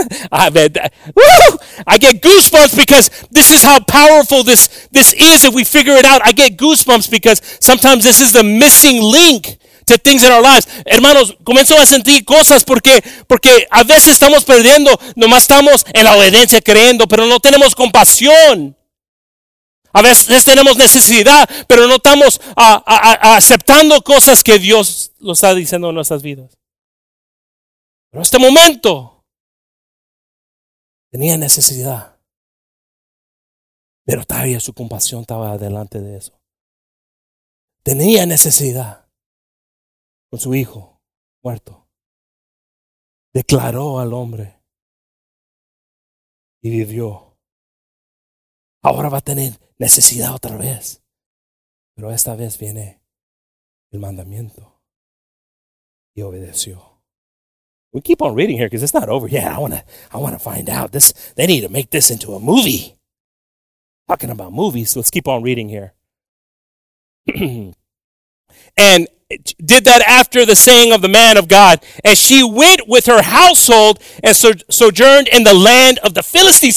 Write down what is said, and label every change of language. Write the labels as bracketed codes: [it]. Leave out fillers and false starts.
[en] I get goosebumps because this is how powerful this is. If we figure it out, I get goosebumps because sometimes this is the missing link to things in our lives. [es] Hermanos, comienzo a sentir cosas porque a veces estamos perdiendo, nomás estamos en la obediencia creyendo, pero no tenemos compasión. A veces tenemos necesidad, pero no estamos aceptando cosas que Dios lo está diciendo en nuestras vidas. Pero este momento tenía necesidad, pero todavía su compasión estaba adelante de eso. Tenía necesidad con su hijo muerto. Declaró al hombre y vivió. Ahora va a tener necesidad otra vez, pero esta vez viene el mandamiento y obedeció. [en] We keep on reading here because it's not over yet. I wanna find out. They need to make this into a movie. Talking about movies, let's keep on reading here. And did that after the saying of the man of God, and she went with her household and sojourned in the land of the Philistines.